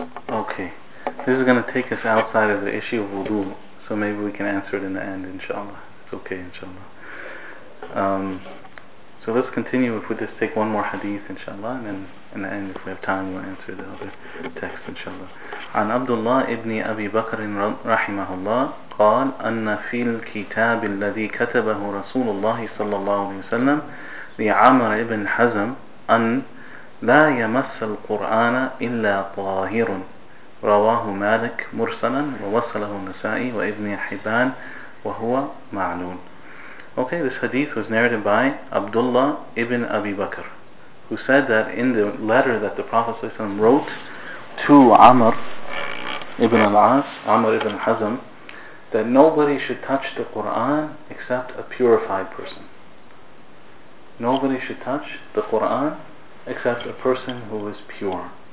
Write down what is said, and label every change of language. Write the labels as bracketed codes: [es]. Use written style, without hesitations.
[en] Okay. This is going to take us outside of the issue of wudu, so maybe we can answer it in the end, inshallah. It's okay, inshallah. So let's continue. If we just take one more hadith, inshallah, and then in the end, if we have time, we'll answer the other text, inshallah. [ar] عن عبد الله ابن أبي بكر رحمه الله قال أن في الكتاب الذي كتبه رسول الله صلى الله عليه وسلم لعمر بن حزم أن لا يمس القرآن إلا طاهر رواه مالك مرسلا ووصله النسائي وابن حبان وهو معلول. [en] Okay, this hadith was narrated by Abdullah ibn Abi Bakr, who who said that in the letter that the Prophet ﷺ wrote to Amr ibn al-As, Amr ibn Hazm, that nobody should touch the Qur'an except a purified person. Nobody should touch the Qur'an except a person who is pure.